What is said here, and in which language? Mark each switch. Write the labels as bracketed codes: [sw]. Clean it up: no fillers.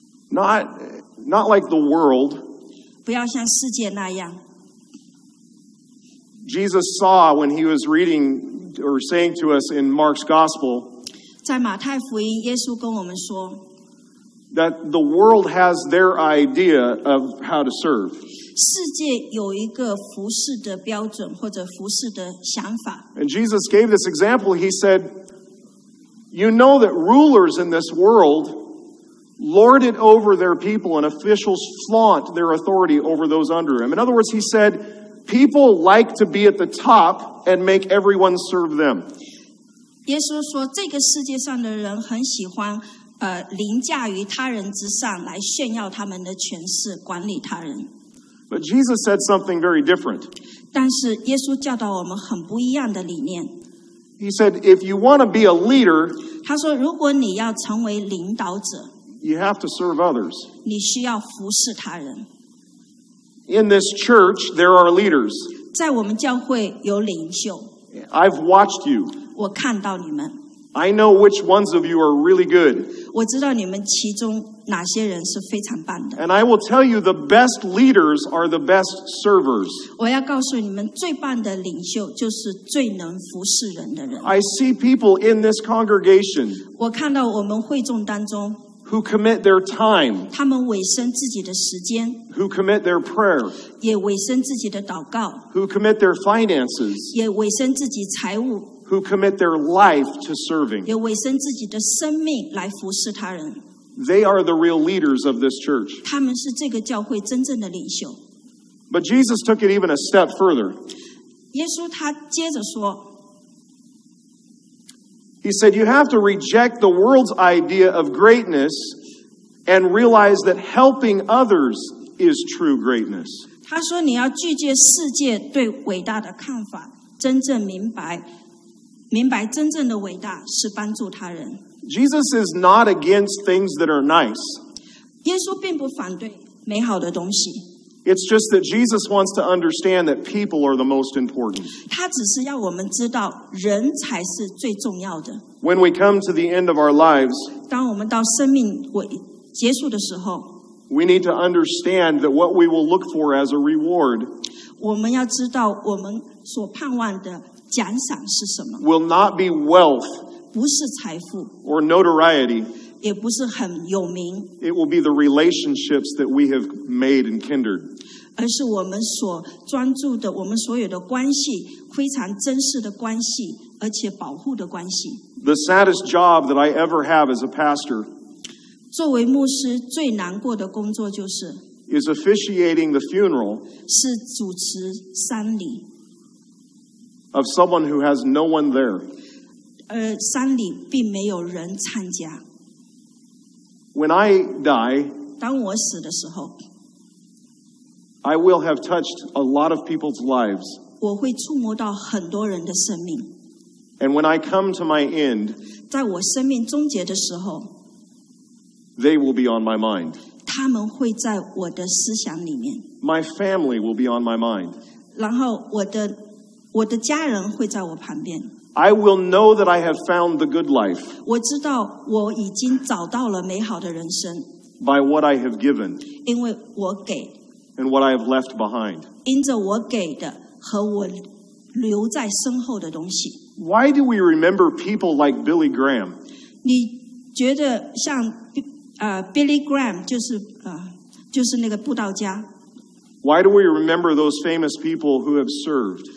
[en] Not like the world. [zh] 不要像世界那样。 [en] Jesus saw when he was reading or saying to us in Mark's Gospel [zh] 在马太福音耶稣跟我们说 [en] that the world has their idea of how to serve. [zh] 世界有一个服侍的标准或者服侍的想法。 [en] And Jesus gave this example. He said, you know that rulers in this world lord it over their people and officials flaunt their authority over those under them. In other words, he said,People like to be at the top and make everyone serve them. [zh] 耶稣说，这个世界上的人很喜欢，凌驾于他人之上，来炫耀他们的权势，管理他人。 [en] But Jesus said something very different. [zh] 但是耶稣教导我们很不一样的理念。 [en] He said, "If you want to be a leader," [zh] 他说，如果你要成为领导者 [en] ，you have to serve others. [zh] 你需要服侍他人。 [en] In this church, there are leaders. [zh] 在我们教会有领袖。 [en] I've watched you. [zh] 我看到你们。 [en] I know which ones of you are really good. [zh] 我知道你们其中哪些人是非常棒的。 [en] And I will tell you, the best leaders are the best servers. [zh] 我要告诉你们，最棒的领袖就是最能服侍人的人。 [en] I see people in this congregation. [zh] 我看到我们会众当中。 [en] Who commit their time? [zh] 他们委身自己的时间。 [en] Who commit their prayer? [zh] 也委身自己的祷告。 [en] Who commit their finances? [zh] 也委身自己财务。 [en] Who commit their life to serving? [zh] 也委身自己的生命来服侍他人。 [en] They are the real leaders of this church. [zh] 他们是这个教会真正的领袖。 [en] But Jesus took it even a step further. [zh] 耶稣他接着说。 [en] He said, you have to reject the world's idea of greatness and realize that helping others is true greatness. [zh] 他说你要拒绝世界对伟大的看法，真正明白真正的伟大是帮助他人。 [en] Jesus is not against things that are nice. [zh] 耶稣并不反对美好的东西。 [en] It's just that Jesus wants to understand that people are the most important. [zh] 他只是要我们知道人才是最重要的。 [en] When we come to the end of our lives, [zh] 当我们到生命尾结束的时候 [en] we need to understand that what we will look for as a reward, [zh] 我们要知道我们所盼望的奖赏是什么 [en] will not be wealth, [zh] 不是财富 [en] or notoriety. [zh] 也不是很有名。 [en] It will be the relationships that we have made and kindred. [zh] 而是我们所专注的，我们所有的关系，非常珍视的关系，而且保护的关系。 [en] The saddest job that I ever have as a pastor. [zh] 作为牧师最难过的工作就是。 [en] Is officiating the funeral. [zh] 是主持丧礼。 [en] Of someone who has no one there. [zh] 山里并没有人参加。 [en] When I die, [zh] 当我死的时候 [en] I will have touched a lot of people's lives. [zh] 我会触摸到很多人的生命。 [en] And when I come to my end, [zh] 在我生命终结的时候 [en] they will be on my mind. [zh] 他们会在我的思想里面。 [en] My family will be on my mind. [zh] 然后我的家人会在我旁边。 [en] I will know that I have found the good life. [zh] 我知道我已经找到了美好的人生。 [en] By what I have given. [zh] 因为我给。 [en] And what I have left behind. [zh] 因着我给的和我留在身后的东西。 [en] Why do we remember people like Billy Graham? [zh] 你觉得像Billy Graham 就是那个布道家。 [en] Why do we remember those famous people who have served?